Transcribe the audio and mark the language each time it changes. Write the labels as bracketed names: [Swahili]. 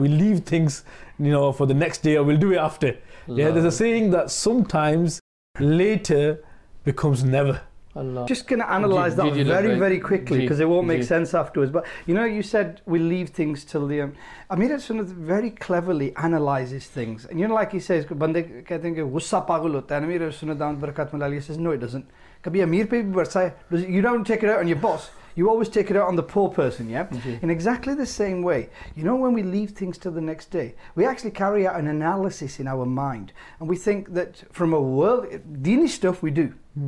[English] We leave things, you know, for the next day, or we'll do it after. Allah. Yeah, there's a saying that sometimes later becomes never. Allah. Just going to analyze that very, very quickly, because it won't make sense afterwards. But, you know, you said we leave things till the end. Amir al-Sunnah very cleverly analyzes things. And, you know, like he says, [Urdu] بندے کہتے ہیں کہ غصہ پاگل ہوتا ہے. [English] Amir al-Sunnah Daud Barakat Mulali says, no, it doesn't. You don't take it out on your boss. You always take it out on the poor person, yeah? Mm-hmm. In exactly the same way, you know, when we leave things till the next day, we actually carry out an analysis in our mind. And we think that from a world, dini stuff we do. Mm-hmm.